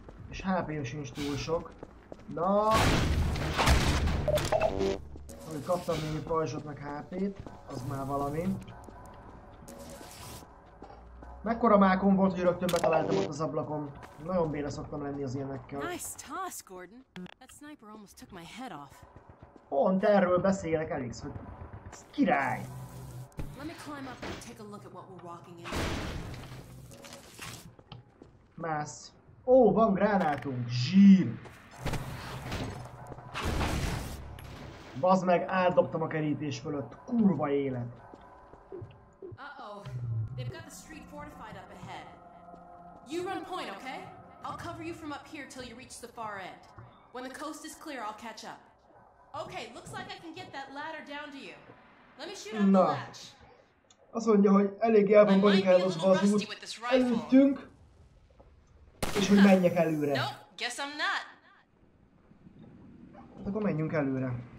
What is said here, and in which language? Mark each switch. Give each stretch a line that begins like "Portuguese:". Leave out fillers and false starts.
Hungarian: És HP-ja sincs túl sok. Na! Ahogy kaptam némi pajzsot meg HP-t, az már valami. Mekkora mákom volt, hogy rögtön betaláltam ott az ablakon. Nagyon béle szoktam lenni az ilyenekkel.
English: Nice toss, Gordon. That sniper almost took my head off.
Hungarian: Pont erről beszélek, Alex, hogy király.
English: Let me climb up and take a look at what we're walking in.
Hungarian: Mász. Ó, van gránátunk, zsír. Bazd meg, átdobtam a kerítés fölött, kurva élet.
English: Uh-oh, they've got the street fortified up ahead. You run point, okay? I'll cover you from up here till you reach the far end. When the coast is clear, I'll catch up. Okay, looks like I can get that ladder down to you. Let me shoot out the latch.
Hungarian: Azt mondja, hogy elég el van barikázva az út előttünk, és hogy menjek előre.
English: Nope, guess I'm not.
Hungarian: Hát akkor menjünk előre.